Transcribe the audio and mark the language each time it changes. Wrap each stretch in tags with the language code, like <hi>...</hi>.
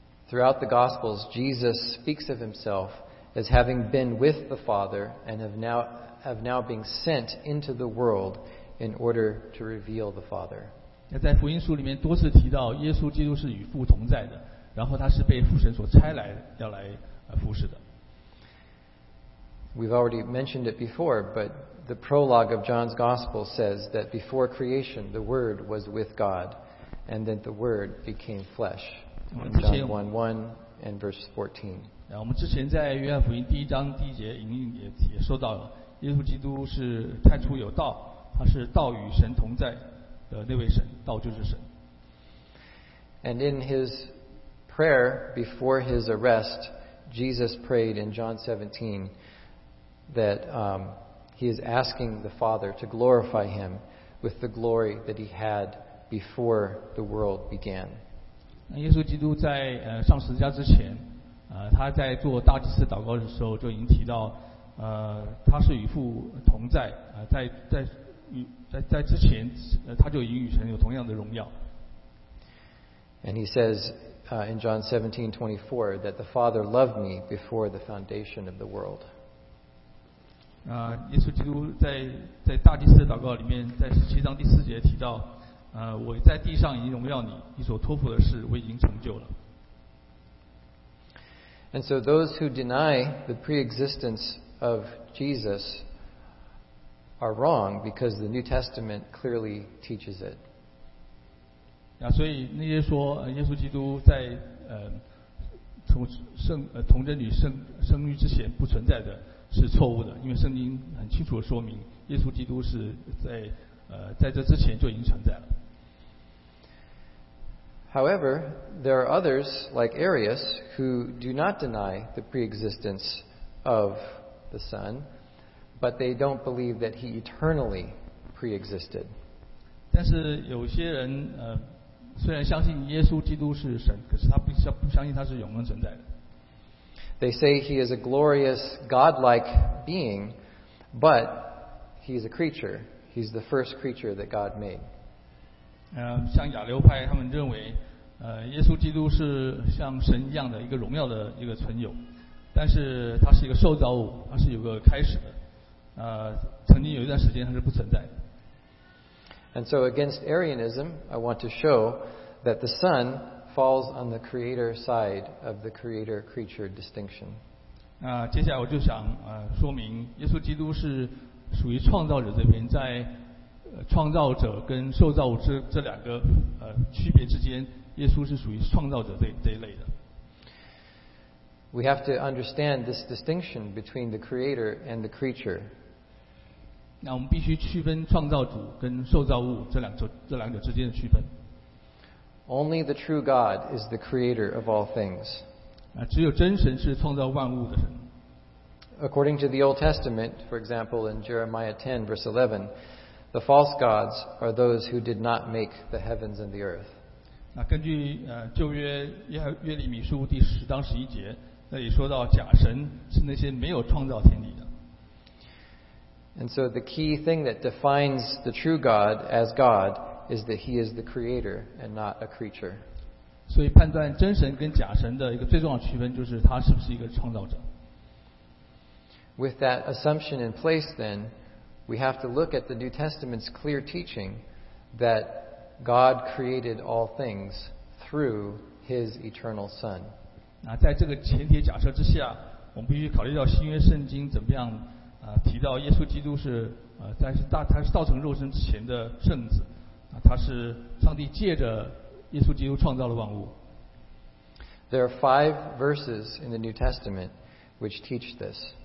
<en>Throughout the Gospels, Jesus speaks of himself as having been with the Father and have now been sent into the world in order to reveal the Father.</en> <zh>在福音书里面多次提到耶稣基督是与父同在的，然后他是被父神所差来要来服侍的。</zh> <en>We've already mentioned it before, but the prologue of John's Gospel says that before creation, the Word was with God, and that the Word became flesh. John 1:1 and verse 14.</en> <zh>我们之前在约翰福音第一章第一节已经也说到了，耶稣基督是太初有道，他是道与神同在的那位神，道就是神。</zh> <en>And in his prayer before his arrest, Jesus prayed in John 17 that he is asking the Father to glorify him with the glory that he had before the world began.</en> <zh>耶稣基督在上十字架之前，他在做大祭司祷告的时候就已经提到，他是与父同在，在之前，他就已经与神有同样的荣耀。</zh> <en>And he says, in John 17:24, that the Father loved me before the foundation of the world.</en> <zh>耶稣基督在大祭司祷告里面，在十七章第四节提到。我在地上已经荣耀你，你所托付的事我已经成就了。</zh> <en>And so those who deny the pre-existence of Jesus are wrong because the New Testament clearly teaches it.</en> <zh>所以那些说耶稣基督在童贞女生育之前不存在的是错误的，因为圣经很清楚的说明耶稣基督是在这之前就已经存在了。</zh> <en>However, there are others, like Arius, who do not deny the pre-existence of the Son, but they don't believe that he eternally pre-existed.</en> <zh>但是有些人虽然相信耶稣基督是神，可是他不相信他是永恒存在的。</zh> <en>They say he is a glorious God-like being, but he is a creature. He's the first creature that God made.</en> <zh>像亚流派他们认为耶稣基督是像神一样的一个荣耀的一个存有，但是他是一个受造物，他是有个开始的，曾经有一段时间他是不存在的。</zh> <en>And so against Arianism, I want to show that the Son falls on the creator side of the creator-creature distinction.</en> <zh>接下来我就想说明耶稣基督是属于创造者这边，在创造者跟受造物这两个区别之间，耶稣是属于创造者这一类的。</zh> <en>We have to understand this distinction between the creator and the creature.</en> <zh>那我们必须区分创造主跟受造物这两者之间的区分。</zh> <en>Only the true God is the creator of all things.</en> <zh>只有真神是创造万物的神。</zh> <en>According to the Old Testament, for example, in Jeremiah 10, verse 11, the false gods are those who did not make the heavens and the earth.</en> <zh>根据旧约约利米书第十章十一节，那里说到假神是那些没有创造天地的。</zh> <en>And so the key thing that defines the true God as God is that He is the creator and not a creature.</en> <zh>所以判断真神跟假神的一个最重要区分就是他是不是一个创造者。</zh> <en>With that assumption in place then, we have to look at the New Testament's clear teaching that God created all things through His eternal Son.</en> <zh>在这个前提假设之下，我们必须考虑到新约圣经怎么样提到耶稣基督是他是道成肉身之前的圣子，他是上帝借着耶稣基督创造了万物。</zh> <en>There are five verses in the New Testament which teach this.</en>